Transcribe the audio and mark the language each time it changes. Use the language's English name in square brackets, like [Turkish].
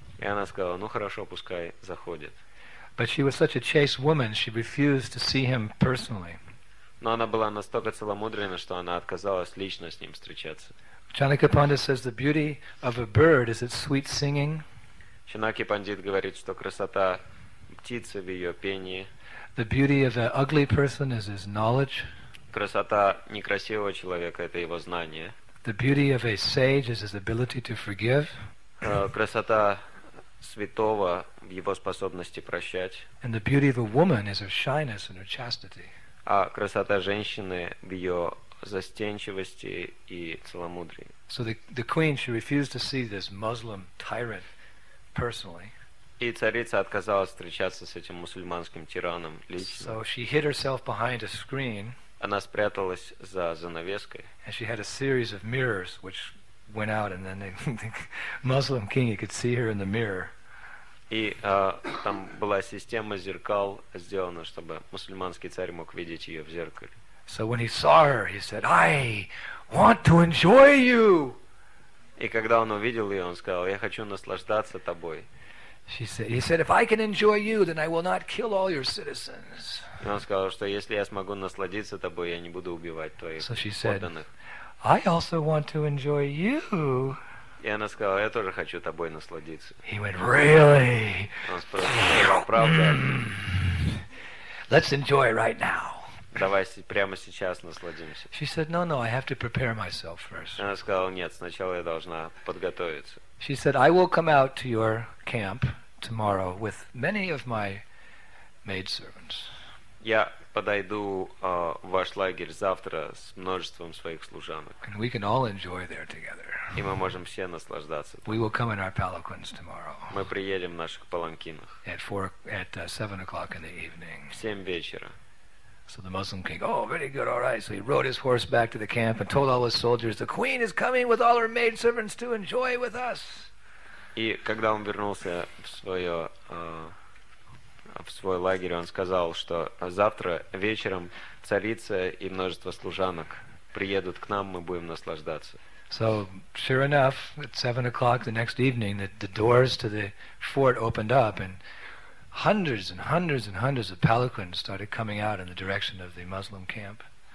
[Russian] И она сказала, ну хорошо, пускай заходит. [English] But she was such a chaste woman, she refused to see him personally. [Russian] Но она была настолько целомудрена, что она отказалась лично с ним встречаться. [English] Chanakya Pandit says the beauty of a bird is its sweet singing. [Russian] Chanakya Pandit говорит, что красота птицы в ее пении. [English] The beauty of an ugly person is his knowledge. [Russian] Красота некрасивого человека это его знание. [English] The beauty of a sage is his ability to forgive. [Russian] Красота святого в его способности прощать. [English] And the beauty of a woman is her shyness and her chastity. [Russian] А красота женщины в ее застенчивости и целомудрии. [English] So the queen she refused to see this Muslim tyrant personally. [Russian] И царица отказалась встречаться с этим мусульманским тираном лично. [English] So she hid herself behind a screen. [Russian] Она спряталась за занавеской. [English] And she had a series of mirrors which went out, and then the Muslim king he could see her in the mirror. [Russian] И там была система зеркал сделана, чтобы мусульманский царь мог видеть ее в зеркале. [English] So when he saw her, he said, "I want to enjoy you." [Russian] И когда он увидел ее, он сказал, "Я хочу наслаждаться тобой." [English] She said, "He said, if I can enjoy you, then I will not kill all your citizens." [Russian] И он сказал, что если я смогу насладиться тобой, я не буду убивать твоих подданных. [English] So she said, I also want to enjoy you. [Russian] И она сказала, я тоже хочу тобой насладиться. [English] He went, really? [Russian] Он спросил, правда? [English] Let's enjoy right now. [Russian] Давай прямо сейчас насладимся. [English] She said, "No, no, I have to prepare myself first." [Russian] Она сказала, нет, сначала я должна подготовиться. [English] She said, "I will come out to your camp tomorrow with many of my maidservants." [Russian] Я подойду в ваш лагерь завтра с множеством своих служанок. [English] And we can all enjoy there together. [Russian] И мы можем все наслаждаться. [English] We will come in our palanquins tomorrow. [Russian] Мы приедем в наших паланкинах. [English] At 7 o'clock in the evening. [Russian] В 7 вечера. [English] So the Muslim king, oh, very good, all right. So he rode his horse back to the camp and told all his soldiers, the queen is coming with all her maidservants to enjoy with us. [Russian] И когда он вернулся в свое в свой лагерь, он сказал, что завтра вечером царица и множество служанок приедут к нам, мы будем наслаждаться. [English] So, sure enough, at 7 o'clock the next evening, the doors to the fort opened up and hundreds and hundreds and hundreds of palanquins started coming out in the direction of the Muslim camp.